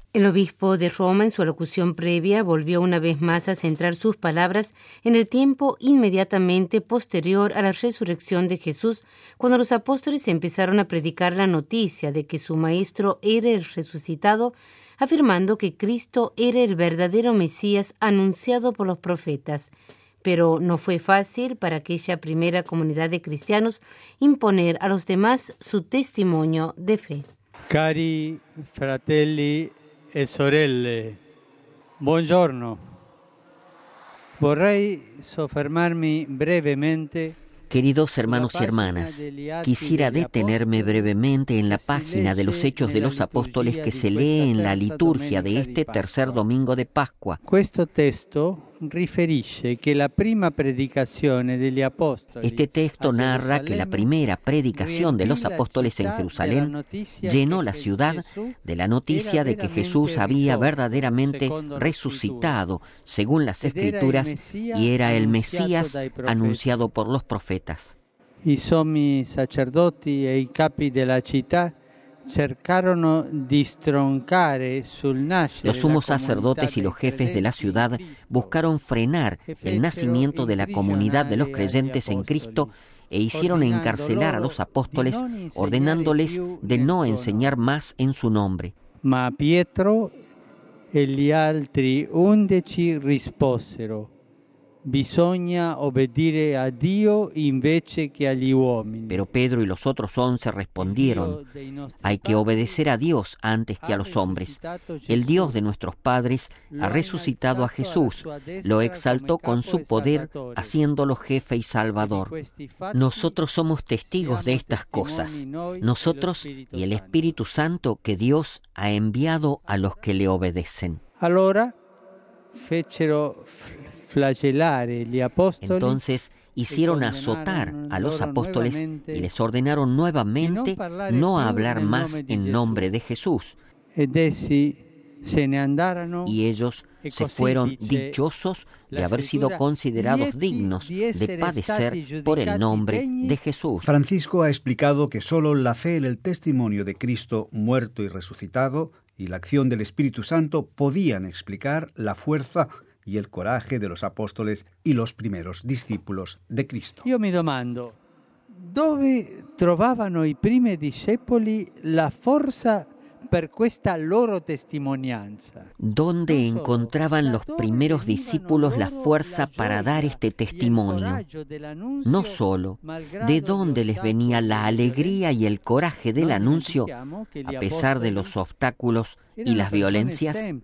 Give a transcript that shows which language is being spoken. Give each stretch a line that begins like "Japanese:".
Spanish: El obispo de Roma, en su alocución previa, volvió una vez más a centrar sus palabras en el tiempo inmediatamente posterior a la resurrección de Jesús, cuando los apóstoles empezaron a predicar la noticia de que su maestro era el resucitado, afirmando que Cristo era el verdadero Mesías anunciado por los profetas. Pero no fue fácil para aquella primera comunidad de cristianos imponer a los demás su testimonio de fe.
Italian: Cari fratelli e sorelle, buongiorno. Vorrei soffermarmi brevemente.
Spanish: Queridos hermanos y hermanas, quisiera detenerme brevemente en la página de los Hechos de los Apóstoles que se lee en la liturgia de este tercer domingo de Pascua. Este texto narra que la primera predicación de los apóstoles en Jerusalén llenó la ciudad de la noticia de que Jesús había verdaderamente resucitado, según las Escrituras, y era el Mesías anunciado por los profetas.
Italian: Y sommi sacerdoti e i capi della città cercarono di stroncare sul nascere.
Spanish: Los sumos sacerdotes y los jefes de la ciudad buscaron frenar el nacimiento de la comunidad de los creyentes en Cristo e hicieron encarcelar a los apóstoles, ordenándoles de no enseñar más en su nombre.
Italian: Ma Pietro e gli altri undici risposero: bisogna obbedire a Dio invece che agli uomini.
Spanish: Pero Pedro y los otros 11 respondieron: hay que obedecer a Dios antes que a los hombres. El Dios de nuestros padres ha resucitado a Jesús, lo exaltó con su poder, haciéndolo jefe y salvador. Nosotros somos testigos de estas cosas, nosotros y el Espíritu Santo que Dios ha enviado a los que le obedecen.
Italian: Allora fecero flagellare gli apostoli.
Spanish: Entonces hicieron azotar a los apóstoles y les ordenaron nuevamente no hablar más en nombre de Jesús. Y ellos se fueron dichosos de haber sido considerados dignos de padecer por el nombre de Jesús. Francisco ha explicado que solo la fe en el testimonio de Cristo muerto y resucitado y la acción del Espíritu Santo podían explicar la fuerza y el coraje de los apóstoles y los primeros discípulos de Cristo. Yo me
Italian: domando, ¿dónde trovavano i primi discepoli la forza per questa loro testimonianza.
Spanish: ¿Dónde encontraban los primeros discípulos la fuerza para dar este testimonio? No solo, ¿de dónde les venía la alegría y el coraje del anuncio a pesar de los obstáculos y las violencias?